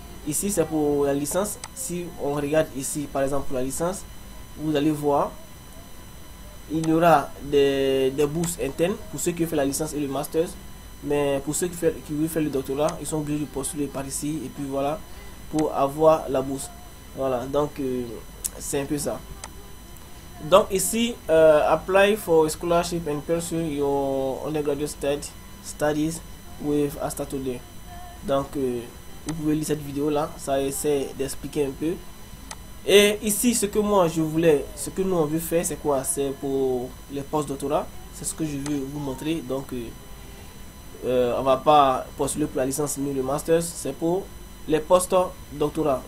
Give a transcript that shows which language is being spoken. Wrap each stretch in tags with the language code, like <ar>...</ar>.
<fr>Ici, c'est pour la licence. Si on regarde ici, par exemple, pour la licence, vous allez voir, il y aura des bourses internes pour ceux qui ont fait la licence et le master. Mais pour ceux qui veulent faire le doctorat, ils sont obligés de postuler par ici et puis voilà, pour avoir la bourse. Voilà, donc c'est un peu ça. Donc ici,</fr> <en>apply for scholarship and pursue your undergraduate studies with Astatoday.</en> <fr>Donc, vous pouvez lire cette vidéo-là, ça essaie d'expliquer un peu. Et ici, ce que moi je voulais, ce que nous on veut faire, c'est quoi? C'est pour les post-doctorats, c'est ce que je veux vous montrer. Donc, on va pas postuler pour la licence ni le master, c'est pour les post-doctorats.</fr>